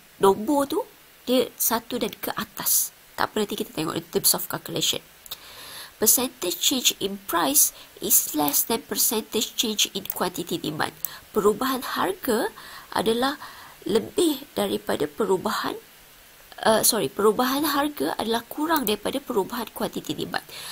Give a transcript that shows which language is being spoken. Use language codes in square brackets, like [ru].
[ms] Nombor tu dia 1 dan ke atas. Tak apa, nanti kita tengok [en] in terms of calculation. Percentage change in price is less than percentage change in quantity demand. [ms] Perubahan harga adalah lebih daripada perubahan perubahan harga adalah kurang daripada perubahan kuantiti demand.